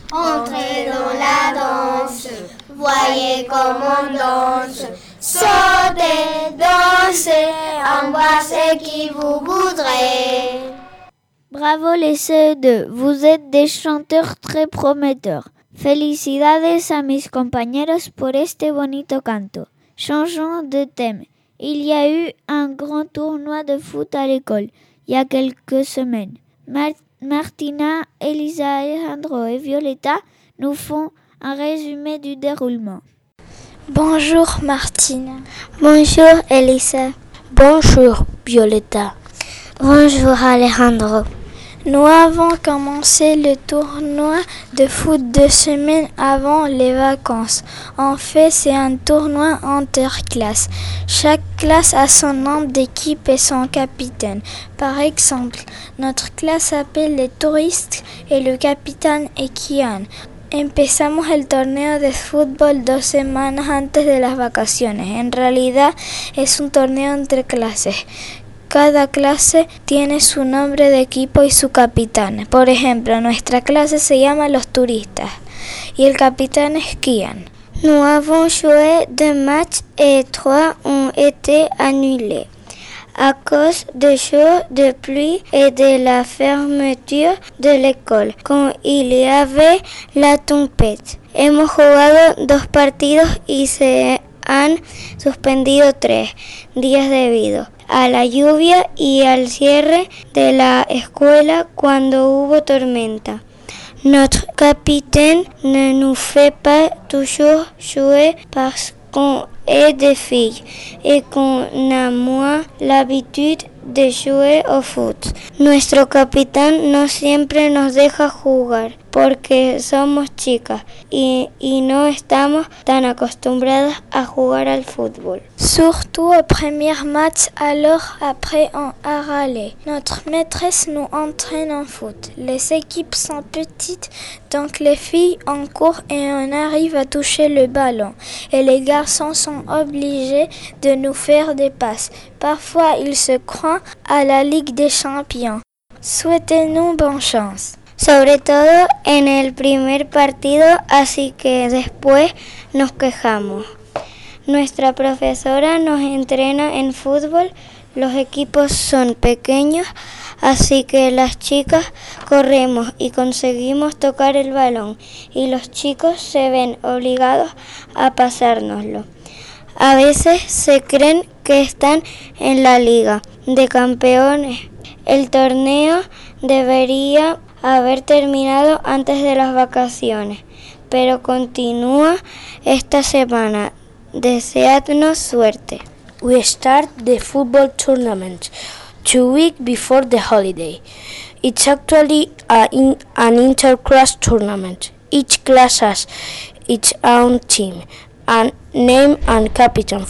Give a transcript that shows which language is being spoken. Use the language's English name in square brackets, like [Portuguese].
[French] Entrez dans la danse, voyez comment on danse. Sautez, dansez, embrassez qui vous voudrez. Bravo les CE2, vous êtes des chanteurs très prometteurs. [Spanish] Felicidades a mis compañeros por este bonito canto. [French] Changeons de thème. Il y a eu un grand tournoi de foot à l'école, il y a quelques semaines. Martina, Elisa, Alejandro et Violeta nous font un résumé du déroulement. Bonjour Martine. Bonjour Elisa. Bonjour Violeta. Bonjour Alejandro. Nous avons commencé le tournoi de foot 2 semaines avant les vacances. En fait, c'est un tournoi interclasse. Chaque classe a son nombre d'équipes et son capitaine. Par exemple, notre classe s'appelle les touristes et le capitaine est Kian. [Spanish] Empezamos el torneo de fútbol 2 semanas antes de las vacaciones. En realidad es un torneo entre clases. Cada clase tiene su nombre de equipo y su capitán. Por ejemplo, nuestra clase se llama Los Turistas y el capitán es Kian. [French] Nous avons joué 2 matchs et 3 ont été annulés à cause de jours de pluie et de la fermeture de l'école quand il y avait la tempête. [Spanish] Hemos jugado 2 partidos y se han suspendido 3 días debido a la lluvia y al cierre de la escuela cuando hubo tormenta. [French] Notre capitaine ne nous fait pas toujours jouer parce qu'on et des filles, et qu'on a moins l'habitude de jouer au foot. [Spanish] Nuestro capitán no siempre nos deja jugar, porque somos chicas y no estamos tan acostumbradas a jugar al fútbol. [French] Surtout au premier match, alors après on a râlé. Notre maîtresse nous entraîne en foot. Les équipes sont petites, donc les filles en cours et on arrive à toucher le ballon. Et les garçons sont obligés de nous faire des passes. Parfois, ils se croient à la Ligue des Champions. Souhaitez-nous bonne chance. [Spanish] Sobre todo en el primer partido, así que después nos quejamos. Nuestra profesora nos entrena en fútbol. Los equipos son pequeños, así que las chicas corremos y conseguimos tocar el balón. Y los chicos se ven obligados a pasárnoslo. A veces se creen que están en la Liga de Campeones. El torneo debería haber terminado antes de las vacaciones, pero continúa esta semana. Deseadnos suerte. [English] We start the football tournament 2 weeks before the holiday. It's actually an inter-class tournament. Each class has its own team and name and captain.